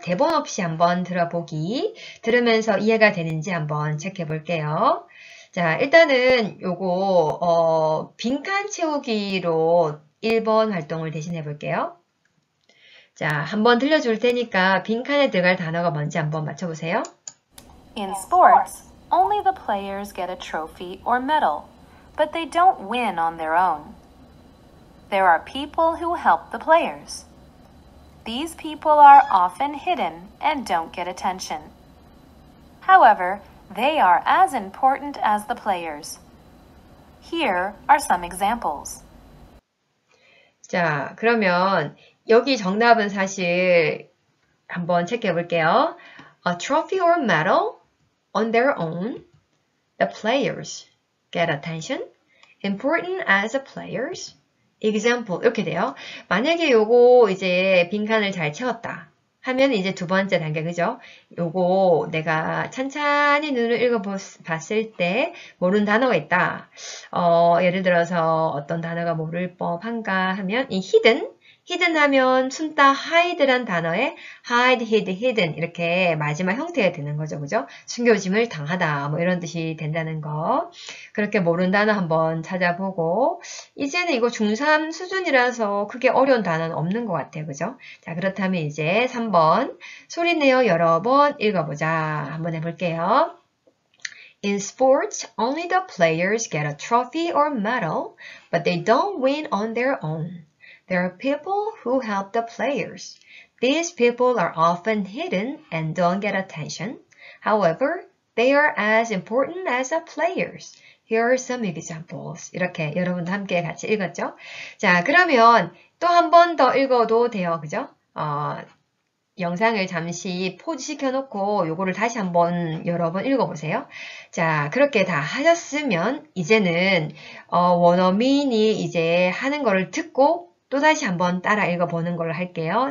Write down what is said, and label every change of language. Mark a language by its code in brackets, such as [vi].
[ko] 대본 없이 한번 들어보기. 들으면서 이해가 되는지 한번 체크해 볼게요. 자, 일단은 요거, 빈칸 채우기로 1번 활동을 대신해 볼게요. 자, 한번 들려줄 테니까 빈칸에 들어갈 단어가 뭔지 한번 맞춰보세요. [en] In sports, only the players get a trophy or medal, but they don't win on their own. There are people who help the players. These people are often hidden and don't get attention. However, they are as important as the players. Here are some examples. [ko] 자, 그러면 여기 정답은 사실 한번 체크해 볼게요. [en] A trophy or medal on their own. The players get attention. Important as a players. Example. [ko] 이렇게 돼요. 만약에 요거 이제 빈칸을 잘 채웠다 하면 이제 두 번째 단계, 그죠? 요거 내가 찬찬히 눈을 읽어봤을 때 모르는 단어가 있다. 예를 들어서 어떤 단어가 모를 법한가 하면 이 히든 하면 숨다 하이드란 단어에 하이드, 히든 이렇게 마지막 형태가 되는 거죠, 그죠? 숨겨짐을 당하다 뭐 이런 뜻이 된다는 거. 그렇게 모르는 단어 한번 찾아보고 이제는 이거 중3 수준이라서 크게 어려운 단어는 없는 것 같아요, 그죠? 자, 그렇다면 이제 3번 소리내어 여러 번 읽어보자. 한번 해볼게요. [en] In sports, only the players get a trophy or medal, but they don't win on their own. There are people who help the players. These people are often hidden and don't get attention. However, they are as important as the players. Here are some examples. [ko] 이렇게 여러분도 함께 같이 읽었죠? 자, 그러면 또한번더 읽어도 돼요. 그죠? 영상을 잠시 포즈 시켜놓고 요거를 다시 한번 여러 번 읽어보세요. 자, 그렇게 다 하셨으면 이제는, 원어민이 이제 하는 거를 듣고 또 다시 한번 따라 읽어보는 걸로 할게요.